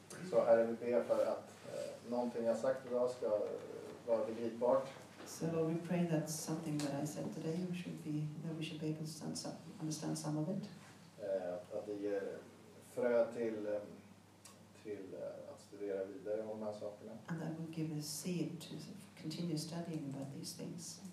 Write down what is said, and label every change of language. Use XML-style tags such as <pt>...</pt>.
<sv>Så Herre, vi ber för att någonting jag sagt idag ska vara begripbart.</sv> <en>So we pray that something that I said today we should be able to understand some of it.</en> <sv>Att det ger frö till att studera vidare om de här sakerna.</sv> <en>And that will give us seed to continue studying about these things.</en>